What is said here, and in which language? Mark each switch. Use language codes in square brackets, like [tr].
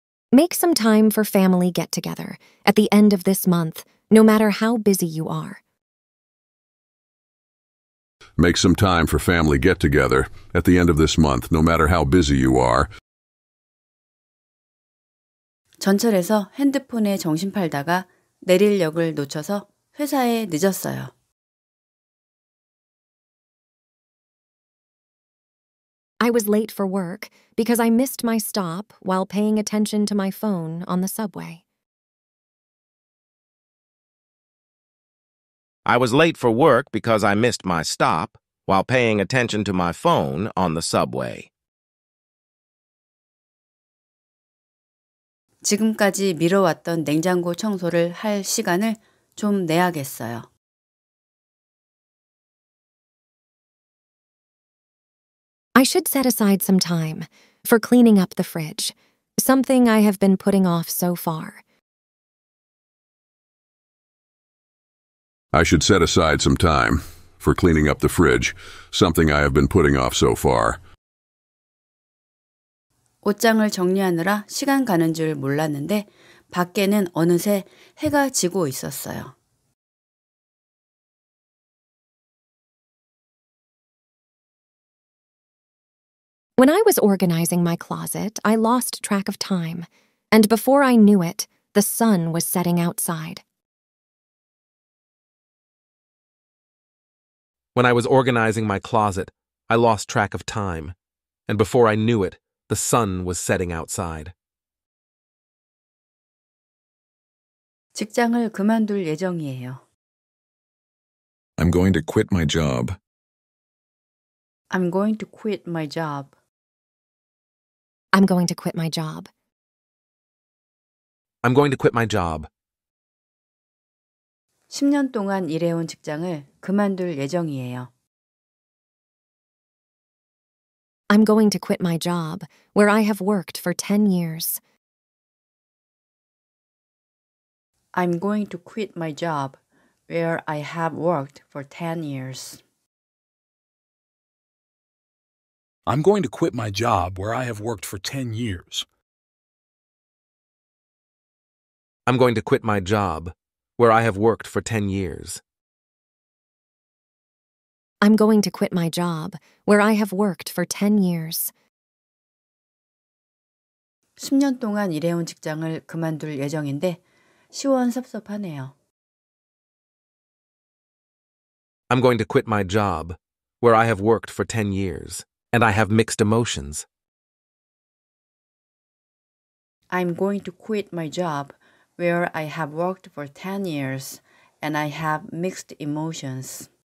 [en] Make some time for family get-together at the end of this month, no matter how busy you are. Make some time for family get-together at the end of this month, no matter how busy you are. [ko] 전철에서 핸드폰에 정신 팔다가 내릴 역을 놓쳐서 회사에 늦었어요. [en] I was late for work because I missed my stop while paying attention to my phone on the subway. I was late for work because I missed my stop while paying attention to my phone on the subway. [ko] 지금까지 미뤄왔던 냉장고 청소를 할 시간을 좀 내야겠어요. [en] I should set aside some time for cleaning up the fridge, something I have been putting off so far. I should set aside some time for cleaning up the fridge, something I have been putting off so far. [ko] 옷장을 정리하느라 시간 가는 줄 몰랐는데 밖에는 어느새 해가 지고 있었어요. [en] When I was organizing my closet, I lost track of time, and before I knew it, the sun was setting outside. When I was organizing my closet, I lost track of time, and before I knew it, the sun was setting outside. [ko] 직장을 그만둘 예정이에요. [en] I'm going to quit my job. I'm going to quit my job. I'm going to quit my job. I'm going to quit my job. [ko] 10년 동안 일해온 직장을 그만둘 예정이에요. [en] I'm going to quit my job where I have worked for 10 years. I'm going to quit my job where I have worked for 10 years. I'm going to quit my job where I have worked for 10 years. I'm going to quit my job where I have worked for 10 years. I'm going to quit my job where I have worked for 10 years. [ko] 10년 동안 일해온 직장을 그만둘 예정인데 시원섭섭하네요. [en] I'm going to quit my job where I have worked for 10 years. And I have mixed emotions. I'm going to quit my job where I have worked for 10 years and I have mixed emotions.